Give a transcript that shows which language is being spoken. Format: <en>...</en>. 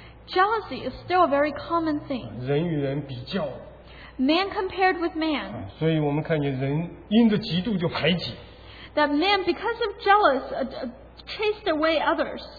<en>jealousy is still a very common thing.</en> <zh>人与人比较,</zh> <en>man compared with man.</en> <zh>所以我们看见人因着嫉妒就排挤,</zh> <en>that man, because of jealous, chased away others.</en>